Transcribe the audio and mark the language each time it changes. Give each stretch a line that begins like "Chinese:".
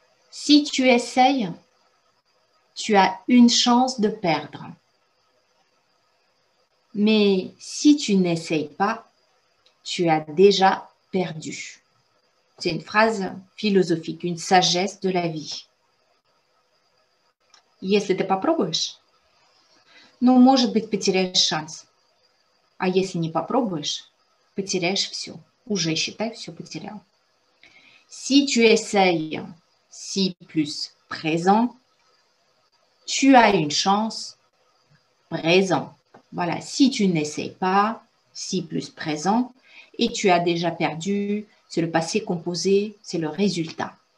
French: Si tu essayes, tu as une chance de perdre. Mais si tu n'essayes pas, tu as déjà perdu. C'est une phrase philosophique, une sagesse de la vie.
Russian: Если ты попробуешь, ну, может быть, потеряешь шанс. А если не попробуешь, потеряешь все. Уже, считай, все потерял.
French: Si tu essayes, si plus présent, tu as une chance, présent. Voilà, si tu n'essayes pas, si plus présent, et tu as déjà perdu, c'est le passé composé, c'est le résultat.